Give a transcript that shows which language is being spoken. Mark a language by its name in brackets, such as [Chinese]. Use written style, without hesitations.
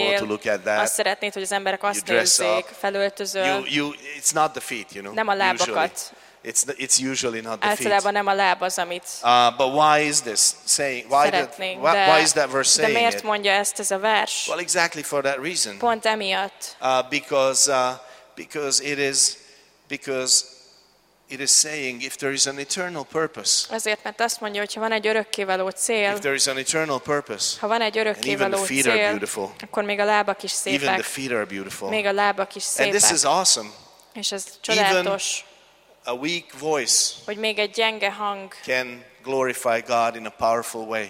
[English] People to look at that. [Hungarian] Azt szeretnéd, hogy az emberek azt nézzék, felöltözöl. [English] It's not the feet, you know. [Hungarian] Nem a lábakat. [English] Usually. It's usually not the [Hungarian] általában [English] feet. [Hungarian] Általában nem a láb az, amit [English] but why is this saying? Why is that verse saying it? [Hungarian] De miért mondja ezt ez a vers? [English] Well, exactly for that reason. [Hungarian] Pont emiatt. [English] Because it is saying if there is an eternal purpose. [Hungarian] Azért, mert azt mondja, hogy ha van egy örökkévaló cél. [English] If there is an eternal purpose. [Hungarian] Ha van egy örökkévaló cél. [English] Even the feet are beautiful. [Hungarian] Akkor még a lábak is szépek. [English] Even the feet are beautiful. [Hungarian] Még a lábak is szépek. [English] And this is awesome. [Hungarian] És ez csodálatos. [English] Even a weak voice. [Hungarian] Hogy még egy gyenge hang. [English] Can glorify God in a powerful way.